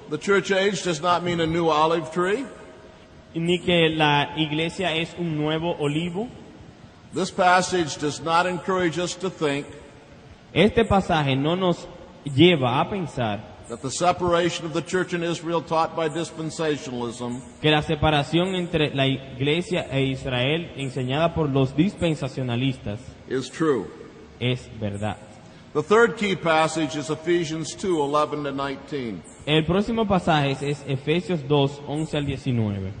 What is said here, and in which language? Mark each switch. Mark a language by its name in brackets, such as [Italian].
[English] The church age does not mean a new olive tree. [Spanish] Ni que la iglesia es un nuevo olivo. [English] This passage does not encourage us to think. [Spanish] Este pasaje no nos lleva a pensar [English] that the separation of the church and Israel taught by dispensationalism, [Spanish] que la separación entre la iglesia e Israel enseñada por los dispensacionalistas, [English] is true. [Spanish] Es verdad. [English] The third key passage is Ephesians 2:11-19. [Spanish] El próximo pasaje es Efesios 2:11-19.